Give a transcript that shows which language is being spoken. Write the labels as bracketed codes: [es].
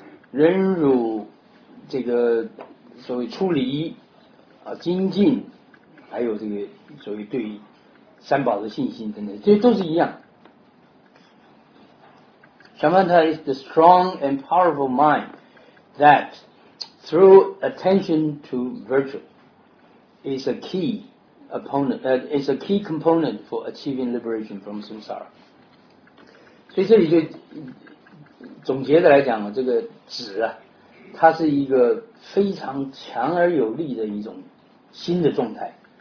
[zh] 忍辱这个所谓出离啊，精进，还有这个所谓对三宝的信心等等，这都是一样。 [en] Shamatha is the strong and powerful mind that, through attention to virtue, is a key component for achieving liberation from samsara. [zh] 所以这里就总结的来讲，这个止啊，它是一个非常强而有力的一种新的状态。